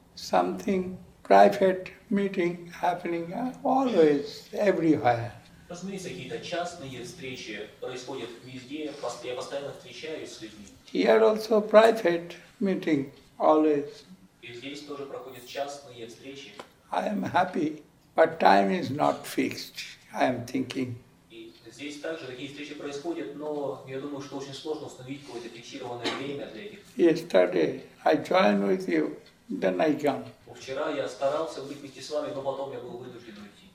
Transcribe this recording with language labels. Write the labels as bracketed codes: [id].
[en] Something private meeting happening always, everywhere. [ru] Разумеется, какие-то частные встречи происходят везде, я постоянно встречаюсь с людьми. [en] Here also private meeting always. [ru] И здесь тоже проходят частные встречи. [en] I am happy, but time is not fixed, I am thinking. [ru] И здесь также такие встречи происходят, но я думаю, что очень сложно установить какое-то фиксированное время для этих. [en] Yesterday I joined with you, then I come. [ru] Вчера я старался быть вместе с вами, но потом я был вынужден уйти.